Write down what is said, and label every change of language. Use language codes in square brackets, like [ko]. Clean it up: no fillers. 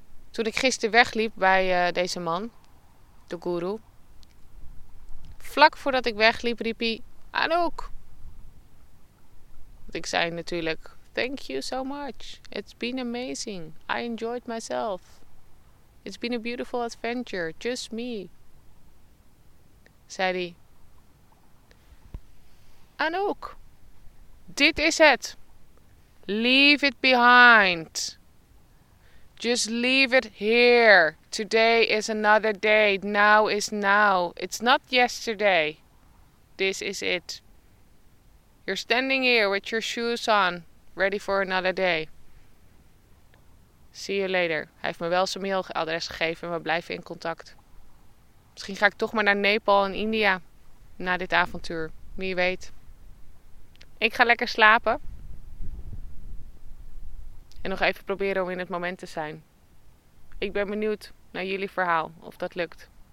[nl] Toen ik gisteren wegliep bij deze man, de guru. Vlak voordat ik wegliep, riep hij, Anouk. Want ik zei natuurlijk, [en] thank you so much. It's been amazing. I enjoyed myself. It's been a beautiful adventure. Just me. [nl] Zei hij, Anouk. Dit is het. [en] Leave it behind. Just leave it here. Today is another day. Now is now. It's not yesterday. This is it. You're standing here with your shoes on. Ready for another day. See you later. [nl] Hij heeft me wel zijn mailadres gegeven. We blijven in contact. Misschien ga ik toch maar naar Nepal en India. Na dit avontuur. Wie weet. Ik ga lekker slapen. En nog even proberen om in het moment te zijn. Ik ben benieuwd naar jullie verhaal, of dat lukt.